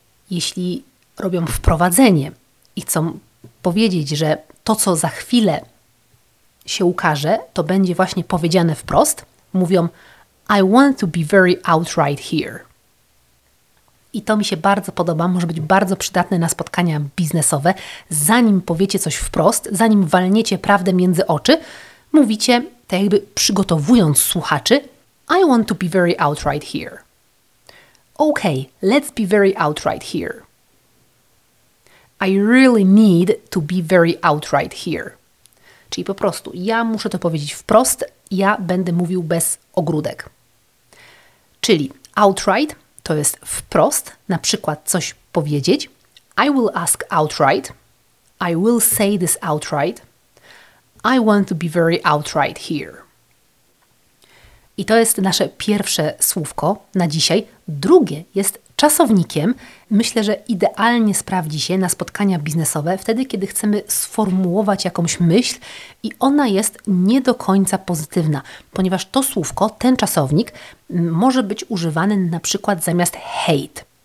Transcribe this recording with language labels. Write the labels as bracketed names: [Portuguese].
[Polish] Jeśli robią wprowadzenie i chcą powiedzieć, że to, co za chwilę się ukaże, to będzie właśnie powiedziane wprost, mówią [English] I want to be very outright here. [Polish] I to mi się bardzo podoba, może być bardzo przydatne na spotkania biznesowe. Zanim powiecie coś wprost, zanim walniecie prawdę między oczy, mówicie, tak jakby przygotowując słuchaczy, [English] I want to be very outright here. Okay, let's be very outright here. I really need to be very outright here. [Polish] Czyli po prostu, ja muszę to powiedzieć wprost, ja będę mówił bez ogródek. Czyli outright to jest wprost, na przykład coś powiedzieć. [English] I will ask outright. I will say this outright. I want to be very outright here. [Polish] I to jest nasze pierwsze słówko na dzisiaj. Drugie jest czasownikiem. Myślę, że idealnie sprawdzi się na spotkania biznesowe, wtedy kiedy chcemy sformułować jakąś myśl i ona jest nie do końca pozytywna, ponieważ to słówko, ten czasownik, może być używany na przykład zamiast hate.